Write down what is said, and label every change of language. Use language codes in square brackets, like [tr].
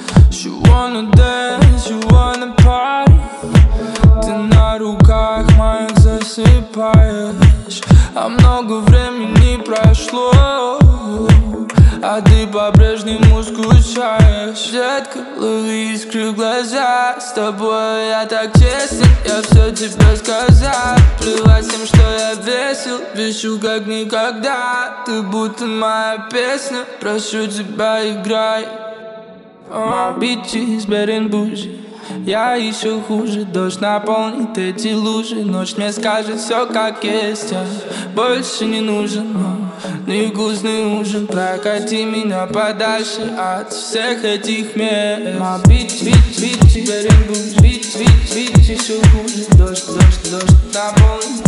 [en] She wanna dance, she wanna party. [ru] Ты на руках моих засыпаешь. А много времени прошло, а ты по-прежнему скучаешь. Детка, лови искры в глаза. С тобой я так честен, я все тебе сказал. Плевать всем, что я весел, вещу как никогда. Ты будто моя песня, прошу тебя, играй. [en] My bitch is bad and bougie. [ru] Я еще хуже, дождь наполнит эти лужи. Ночь мне скажет все как есть, а больше не нужен. Невкусный ужин, прокати меня подальше от всех этих мест. [en] My bitch is bad and bougie. [ru] Bitch еще хуже, дождь наполнит.